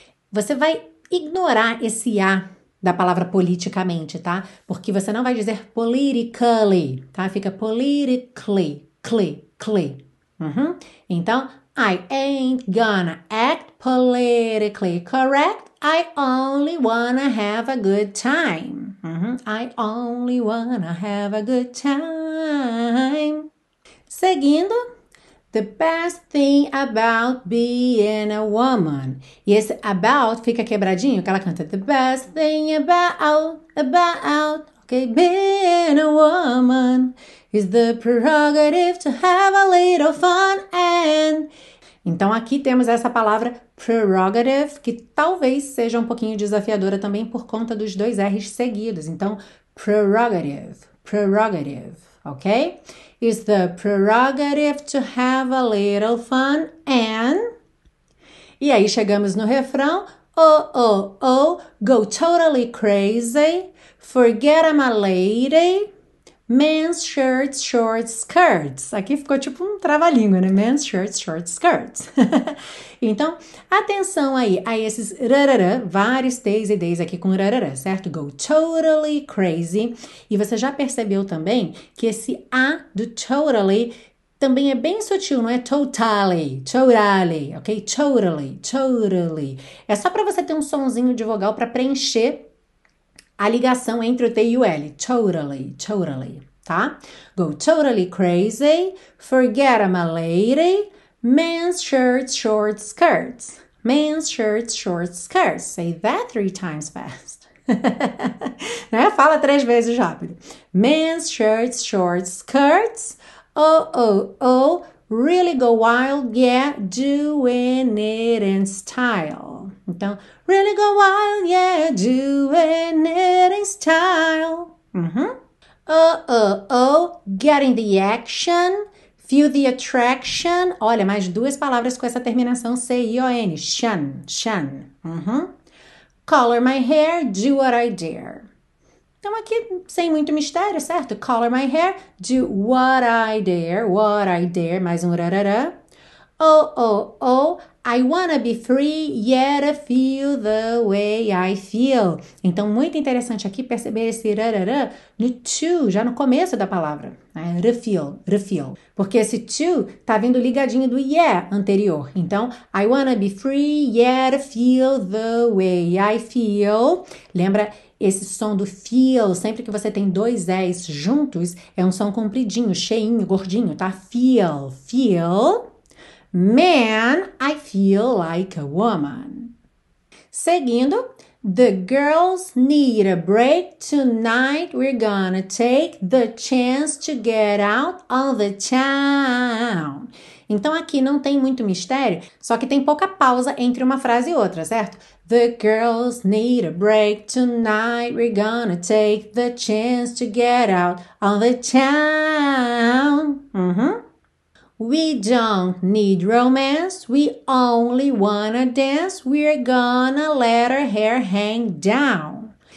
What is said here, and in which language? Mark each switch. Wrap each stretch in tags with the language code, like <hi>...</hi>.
<pt>Você vai ignorar esse A da palavra politicamente, tá? Porque você não vai dizer politically, tá? Fica politically, cli, cli.</pt> <en>Então, I ain't gonna act politically correct. I only wanna have a good time. I only wanna have a good time. Seguindo, the best thing about being a woman.</en> <pt>E esse about fica quebradinho, que ela canta</pt> <en>the best thing about, okay, being a woman is the prerogative to have a little fun and.</en> <pt>Então aqui temos essa palavra prerogative, que talvez seja um pouquinho desafiadora também por conta dos dois R's seguidos. Então, prerogative, prerogative, ok?</pt> <en>Is the prerogative to have a little fun and.</en> <pt>E aí chegamos no refrão.</pt> <en>Oh, oh, oh, go totally crazy, forget I'm a lady, men's shirts, short skirts.</en> <pt>Aqui ficou tipo um trava-língua, né?</pt> <en>Men's shirts, short skirts.</en> <pt>Então, atenção aí a esses rarará, vários T's e D's aqui com rarará, certo?</pt> <en>Go totally crazy.</en> <pt>E você já percebeu também que esse A do totally também é bem sutil, não é totally, totally, ok? Totally, totally. É só para você ter um sonzinho de vogal para preencher a ligação entre o T e o L.</pt> <en>Totally, totally, tá? Go totally crazy, forget I'm a lady, men's shirts, short skirts. Men's shirts, short skirts. Say that three times fast. Né?</en> <pt>Fala três vezes rápido.</pt> <en>Men's shirts, short skirts. Oh, oh, oh, really go wild, yeah, doing it in style. Então, really go wild, yeah, doing it in style. Oh, oh, oh, get in the action, feel the attraction.</en> <pt>Olha, mais duas palavras com essa terminação C-I-O-N, shun, shun.</pt> <en>Color my hair, do what I dare.</en> <pt>Então, aqui, sem muito mistério, certo?</pt> <en>Color my hair, do what I dare, mais um rarará. Oh, oh, oh, I wanna be free, yet I feel the way I feel.</en> <pt>Então, muito interessante aqui perceber esse rarará no to, já no começo da palavra. Né? Refill, refill. Porque esse to tá vindo ligadinho do yeah anterior.</pt> <en>Então, I wanna be free, yet I feel the way I feel.</en> <pt>Lembra esse som do feel, sempre que você tem dois S juntos, é um som compridinho, cheinho, gordinho, tá?</pt> <en>Feel, feel. Man, I feel like a woman. Seguindo, the girls need a break. Tonight we're gonna take the chance to get out of the town.</en> <pt>Então aqui não tem muito mistério, só que tem pouca pausa entre uma frase e outra, certo?</pt> <en>The girls need a break tonight. We're gonna take the chance to get out of the town. We don't need romance. We only wanna dance. We're gonna let our hair hang down.</en>